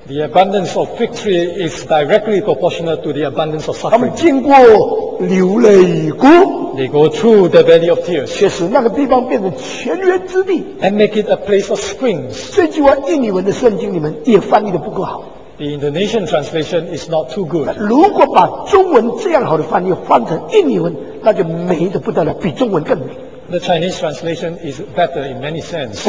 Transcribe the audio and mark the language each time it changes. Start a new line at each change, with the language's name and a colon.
English: The abundance of victory is directly proportional to the abundance of suffering.
Chinese: 他们经过流泪谷，
English: they go through the valley of tears.
Chinese: 确实，那个地方变成泉源之地，
English: and make it a place of springs.
Chinese: 这句话印尼文的圣经里面也翻译的不够好。
English: The Indonesian translation is not too good.
Chinese: 如果把中文这样好的翻译换成印尼文，那就美得不得了，比中文更美。
English: The Chinese translation is better in many sense.